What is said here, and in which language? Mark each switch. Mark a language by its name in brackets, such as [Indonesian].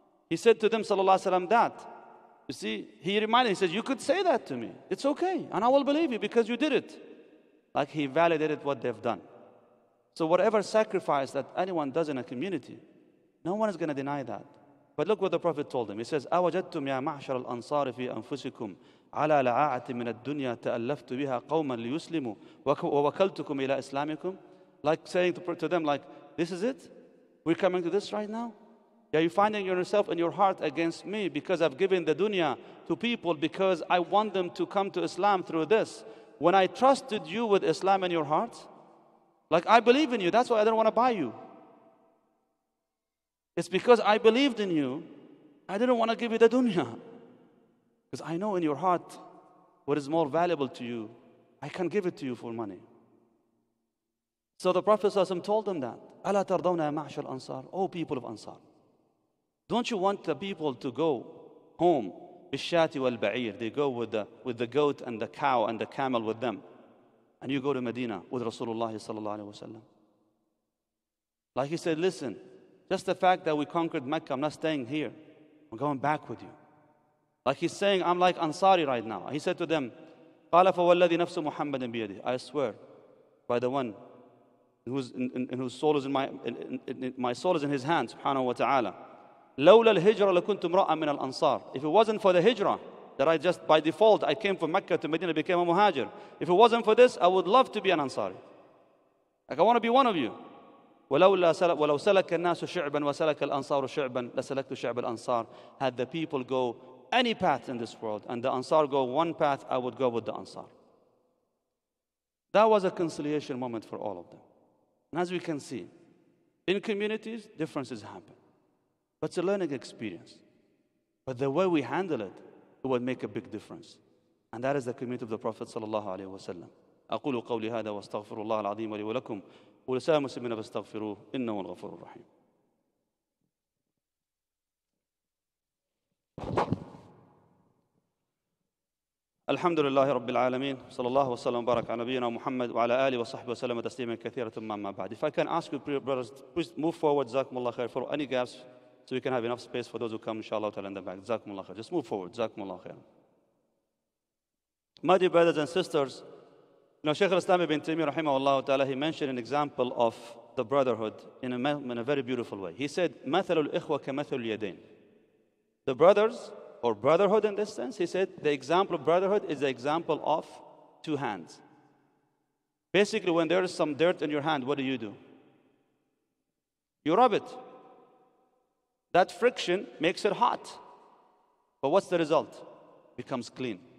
[English] He said to them, sallallahu alayhi wa sallam, that. You see, he reminded, he said, you could say that to me. It's okay, and I will believe you because you did it. Like he validated what they've done. So whatever sacrifice that anyone does in a community, no one is going to deny that. But look what the Prophet told him. He says, [Arabic] أَوَجَدْتُمْ يَا مَعْشَرَ الْأَنصَارِ فِي أَنفُسِكُمْ عَلَى لَعَاعَةٍ مِنَ الدُّنْيَا تَأَلَّفْتُ بِهَا قَوْمًا لِيُسْلِمُوا وَوَكَلْتُكُمْ إِلَىٰ إِسْلَامِكُمْ. [English] Like saying to them, like, this is it? We're coming to this right now? Yeah, you're finding yourself in your heart against me because I've given the dunya to people because I want them to come to Islam through this. When I trusted you with Islam in your heart, like I believe in you, that's why I didn't want to buy you. It's because I believed in you, I didn't want to give you the dunya. Because I know in your heart what is more valuable to you, I can give it to you for money. So the Prophet ﷺ told them that, [Arabic] أَلَا تَرْضَوْنَا مَعْشَرَ الْأَنصَارِ. [English] O people of Ansar, don't you want the people to go home [Arabic] بِالشَّاتِ وَالْبَعِيرِ. [English] They go with the goat and the cow and the camel with them. And you go to Medina with Rasulullah sallallahu alayhi wa sallam. Like he said, listen, just the fact that we conquered Mecca, I'm not staying here. I'm going back with you. Like he's saying, I'm like Ansari right now. He said to them, [Arabic] قَالَ فَوَالَّذِي نَفْسُ مُحَمَّدٍ بِيَدِهِ. [English] I swear by the one whose soul is my soul is in his hand, subhanahu wa ta'ala. [Arabic] لولا الهجرة لكنت امرأة من الأنصار. [English] If it wasn't for the hijra, that I just by default I came from Mecca to Medina, became a muhajir. If it wasn't for this, I would love to be an Ansari. Like I want to be one of you. [Arabic] ولو سلك الناس شعبا وسلك الأنصار شعبا لسلكت شعب الأنصار. [English] Had the people go any path in this world and the Ansar go one path, I would go with the Ansar. That was a conciliation moment for all of them. And as we can see, in communities, differences happen. But it's a learning experience. But the way we handle it, it will make a big difference. And that is the community of the Prophet sallallahu alayhi wa sallam. [Arabic] أقول قولي هذا واستغفر الله العظيم لي ولكم ولسائر المسلمين فاستغفروه إنه الغفور الرحيم. الحمد لله رب العالمين صلى الله وسلم وبارك على نبينا محمد وعلى آله وصحبه وسلم تسليما كثيرا ثم ما بعد. [English] If I can ask you, brothers, please move forward, [Arabic] جزاكم الله خير, [English] for any gaps, so we can have enough space for those who come, inshallah, to land the back. [Arabic] جزاكم الله خير. [English] Just move forward. [Arabic] جزاكم الله خير. [English] My dear brothers and sisters, now Shaykh al-Islam ibn Taymiyyah [Arabic] رحمه الله تعالى, [English] he mentioned an example of the brotherhood in a very beautiful way. He said, [Arabic] مثل الإخوة كمثل اليدين. [English] The brothers, or brotherhood in this sense, he said, the example of brotherhood is the example of two hands. Basically, when there is some dirt in your hand, what do? You rub it. That friction makes it hot. But what's the result? It becomes clean.